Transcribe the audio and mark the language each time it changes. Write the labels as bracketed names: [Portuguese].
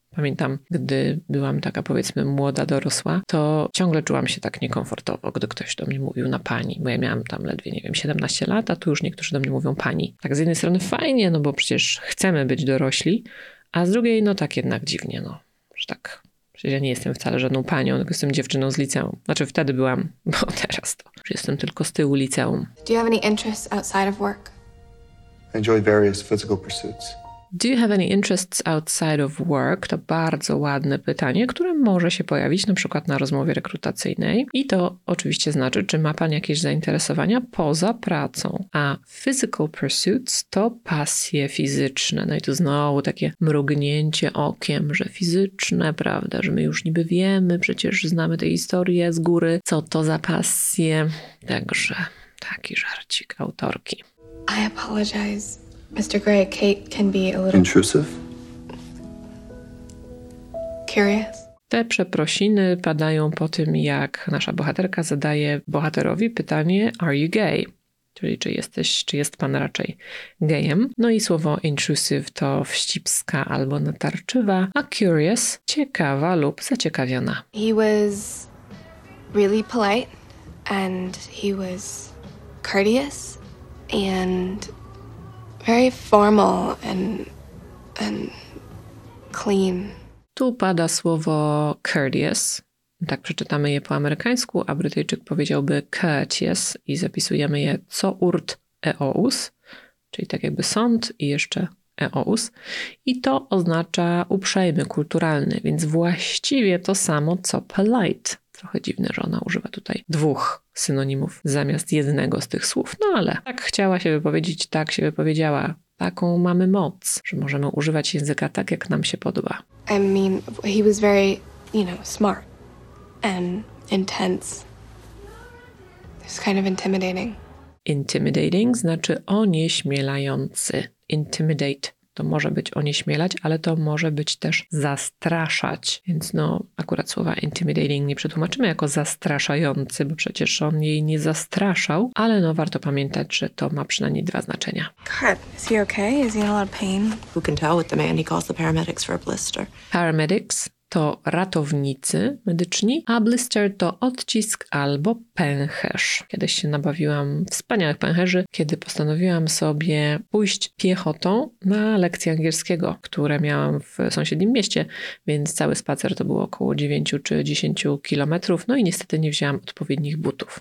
[Polish] Pamiętam, gdy byłam taka, powiedzmy, młoda, dorosła, to ciągle czułam się tak niekomfortowo, gdy ktoś do mnie mówił na pani, bo ja miałam tam ledwie, nie wiem, 17 lat, a tu już niektórzy do mnie mówią pani. Tak z jednej strony fajnie, no bo przecież chcemy być dorośli, a z drugiej no tak jednak dziwnie, no. Że tak, przecież ja nie jestem wcale żadną panią, tylko jestem dziewczyną z liceum. Znaczy wtedy byłam, bo teraz to. Już jestem tylko z tyłu liceum. [English] Do you have any interests outside of work? I enjoy various physical pursuits. Do you have any interests outside of work? [Polish] To bardzo ładne pytanie, które może się pojawić na przykład na rozmowie rekrutacyjnej. I to oczywiście znaczy, czy ma pan jakieś zainteresowania poza pracą. A [English] physical pursuits [Polish] to pasje fizyczne. No i tu znowu takie mrugnięcie okiem, że fizyczne, prawda, że my już niby wiemy, przecież znamy tę historię z góry, co to za pasje. Także taki żarcik autorki. [English] I apologize. Mr. Gray, Kate can be a little... Intrusive? Curious? [Polish] Te przeprosiny padają po tym, jak nasza bohaterka zadaje bohaterowi pytanie [English] Are you gay? [Polish] Czyli czy jest pan raczej gejem? No i słowo intrusive to wścibska albo natarczywa, a curious ciekawa lub zaciekawiona. [English] He was really polite and he was courteous and... Very formal and clean. [Polish] Tu pada słowo courteous. Tak przeczytamy je po amerykańsku, a Brytyjczyk powiedziałby courteous i zapisujemy je co urt eous, czyli tak jakby sąd i jeszcze eous. I to oznacza uprzejmy, kulturalny, więc właściwie to samo co polite. Trochę dziwne, że ona używa tutaj dwóch synonimów zamiast jednego z tych słów. No ale tak chciała się wypowiedzieć, tak się wypowiedziała. Taką mamy moc, że możemy używać języka tak, jak nam się podoba. [English] I mean, he was very, you know, smart and intense. It's kind of intimidating. [Polish] Intimidating znaczy onieśmielający. Intimidate. To może być onieśmielać, ale to może być też zastraszać. Więc no, akurat słowa intimidating nie przetłumaczymy jako zastraszający, bo przecież on jej nie zastraszał. Ale no, warto pamiętać, że to ma przynajmniej dwa znaczenia. [English] God, is he okay? Is he in a lot of pain? Who can tell with the man? He calls the paramedics for a blister. [Polish] Paramedics to ratownicy medyczni, a blister to odcisk albo pęcherz. Kiedyś się nabawiłam wspaniałych pęcherzy, kiedy postanowiłam sobie pójść piechotą na lekcje angielskiego, które miałam w sąsiednim mieście, więc cały spacer to było około 9 czy 10 kilometrów, no i niestety nie wzięłam odpowiednich butów.